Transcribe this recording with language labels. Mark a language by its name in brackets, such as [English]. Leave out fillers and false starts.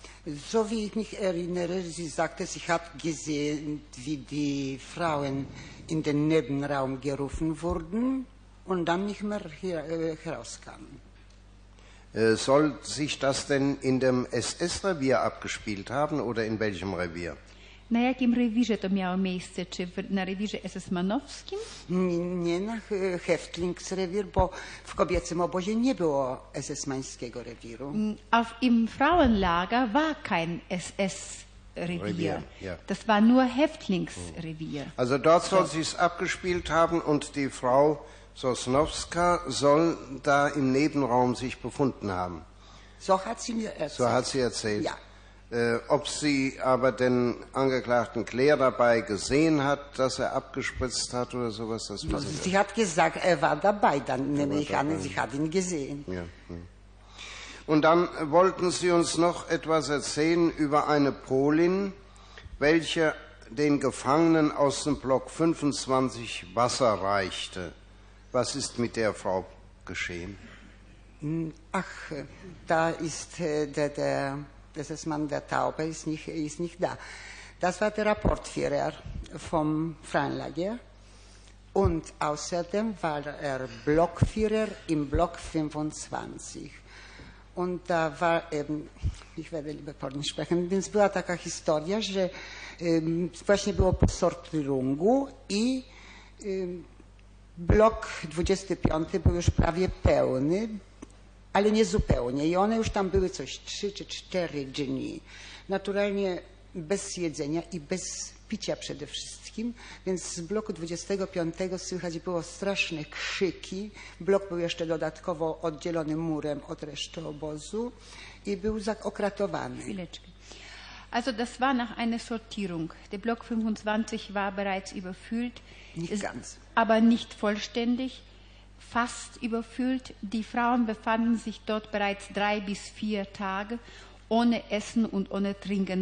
[German] So wie ich mich erinnere, sie sagte, sie hat gesehen, wie die Frauen in den Nebenraum gerufen wurden und dann nicht mehr herauskamen. Soll sich das denn in dem SS-Revier abgespielt haben oder in welchem Revier? [Polish] Na jakim rewirze to miało miejsce? Czy na rewirze SS-manowskim? Nie na Häftlingsrewir, bo w kobiecym obozie nie było SS-mańskiego rewiru. [German] Auf im Frauenlager war kein SS-Revier. Ja. Das war nur Häftlingsrevier. Also dort soll sie es abgespielt haben und die Frau Sosnowska soll da im Nebenraum sich befunden haben. So hat sie mir erzählt. So hat sie erzählt. Ja. Ob sie aber den Angeklagten Claire dabei gesehen hat, dass er abgespritzt hat oder sowas? Das weiß ich. Sie hat gesagt, er war dabei, dann nehme ich an, sie hat ihn gesehen. Ja. Und dann wollten Sie uns noch etwas erzählen über eine Polin, welche den Gefangenen aus dem Block 25 Wasser reichte. Was ist mit der Frau geschehen? Ach, da ist der Das ist Mann der Taube, ist nicht da. Das war der Rapportführer vom Frauenlager. Und außerdem war er Blockführer im Block 25. Und da war eben, ich werde lieber Polnisch sprechen, [Polish] więc była taka historia, że właśnie było po Sortierungu i Block 25 był już prawie pełny. Ale nie zupełnie. I one już tam były coś 3 czy 4 dni. Naturalnie bez jedzenia i bez picia przede wszystkim. Więc z bloku 25 słychać było straszne krzyki. Blok był jeszcze dodatkowo oddzielony murem od reszty obozu i był okratowany. Chwileczkę. [German] Also das war nach einer Sortierung. Der Block 25 war bereits überfüllt. Nicht ganz. Aber nicht vollständig. Fast überfüllt. Die Frauen befanden sich dort bereits 3 bis 4 Tage ohne Essen und ohne Trinken.